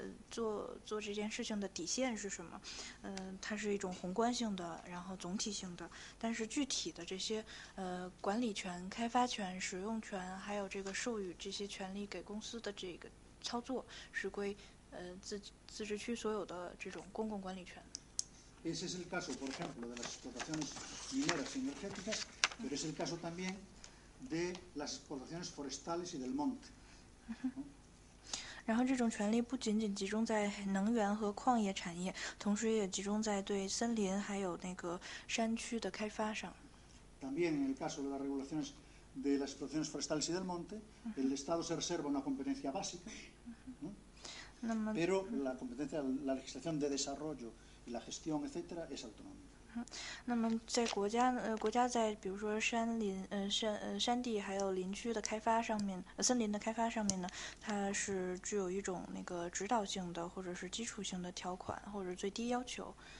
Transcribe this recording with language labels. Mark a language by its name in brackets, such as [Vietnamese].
[Chinese] 做这件事情的底线是什么，它是一种宏观性的，然后总体性的，但是具体的这些管理权、开发权、使用权，还有这个授予这些权利给公司的这个操作，是归自治区所有的这种公共管理权。 [Spanish] Ese es el caso, por ejemplo, de las explotaciones mineras y energéticas, pero es el caso también de las explotaciones forestales y del monte. [Chinese] 然后这种权利不仅仅集中在能源和矿业产业，同时也集中在对森林还有那个山区的开发上。 [Spanish] También en el caso de las regulaciones de las explotaciones forestales y del monte, el Estado se reserva una competencia básica, ¿no? [Chinese] 那么, [Spanish] pero la competencia, la legislación de desarrollo,la gestión, etcétera, es autonómica. [Chinese] 那么在国家在比如说山地还有林区的开发上面，森林的开发上面呢，它是具有一种那个指导性的或者是基础性的条款或者最低要求。